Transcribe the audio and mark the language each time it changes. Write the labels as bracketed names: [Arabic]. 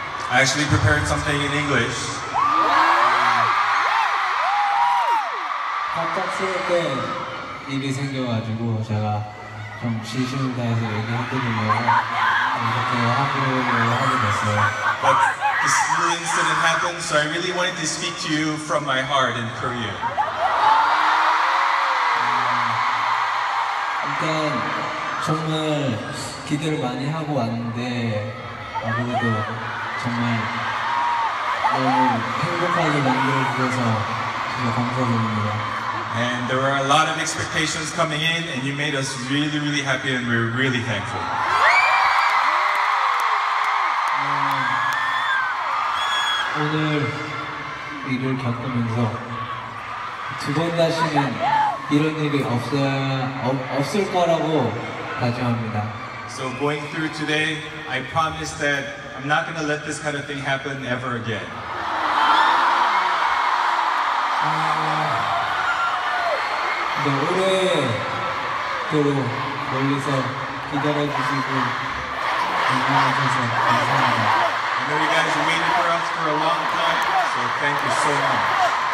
[English] I actually prepared something in English. [Korean] 갑작스럽게 일이 생겨가지고 제가 좀 진심을 다해서 얘기했거든요. 이렇게 하기로 하게 됐어요. [English] This new incident happened, so I really wanted to speak to you from my heart in Korea. [Korean] 일단 정말 기대를 많이 하고 왔는데 아무래도 정말 너무 행복하게 만들어주셔서 진짜 감사드립니다. [English] And there were a lot of expectations coming in, and you made us really, really happy, and we're really thankful. [Korean] 오늘 일을 겪으면서 두 번 다시는 이런 일이 없을 거라고 다짐합니다. [English] So going through today, I promise that I'm not going to let this kind of thing happen ever again. [Korean] 네, 올해도 멀리서 기다려주시고 응원하셔서 감사합니다. [English] I know you guys have waited for us for a long time, so thank you so much.